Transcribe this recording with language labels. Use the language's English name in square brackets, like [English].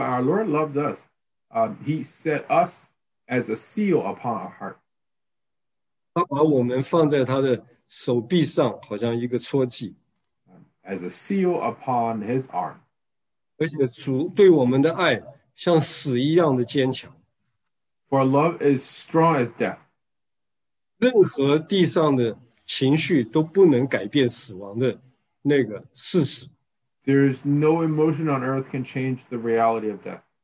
[English] our Lord loves us, He set us as a seal upon our heart. [Chinese] 他把我们放在他的手臂上，好像一个戳记。 [English] As a seal upon His arm. [Chinese] 而且主对我们的爱像死一样的坚强。 [English] For love is strong as death. [Chinese] 任何地上的 情绪都不能改变死亡的那个事实。 [English] There is no emotion on earth can change the reality of death.